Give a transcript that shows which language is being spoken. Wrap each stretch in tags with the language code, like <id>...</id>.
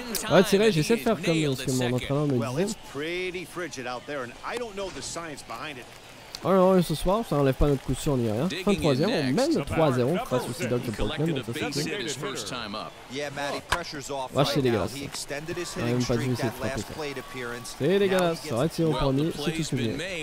<fr>Ouais, c'est vrai, j'essaie de faire comme dans ce que mon entraîneur me disait.</fr> <en>Well, it's pretty frigid out there, and I don't know the science behind it.</en> <fr>Alors ce soir, ça enlève pas notre coup sûr ni rien. Fin de troisième, on mène 3-0 face aux Seahawks de Portland. Donc ça c'est dégueulasse. Ouais, c'est dégueulasse. On a même pas vu cette frappe. C'est dégueulasse. Ça va être au premier, c'est tout souvenir.</fr>